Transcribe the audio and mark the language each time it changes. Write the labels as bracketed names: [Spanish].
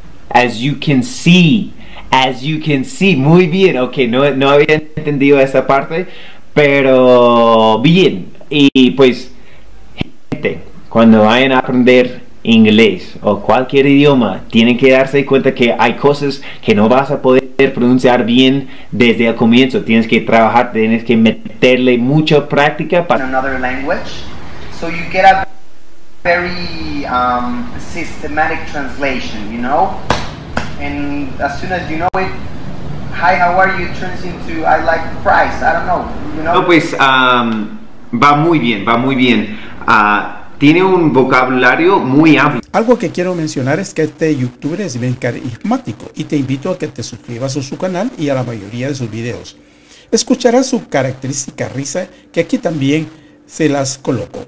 [English] As you can see, I have an accent and everything. As you can see, [Spanish] muy bien. Ok, no había entendido esa parte, pero bien. Y pues, gente, cuando vayan a aprender inglés o cualquier idioma, tienen que darse cuenta que hay cosas que no vas a poder pronunciar bien desde el comienzo. Tienes que trabajar, tienes que meterle mucha práctica para... [English] another language, so you get a... very systematic translation, you know, and as soon as you know it, hi, how are you, turns into I like fries, I don't know, you know. [Spanish] No, pues va muy bien, va muy bien. Tiene un vocabulario muy amplio. Algo que quiero mencionar es que este youtuber es bien carismático y te invito a que te suscribas a su canal y a la mayoría de sus videos. escucharás su característica risa, que aquí también se las coloco.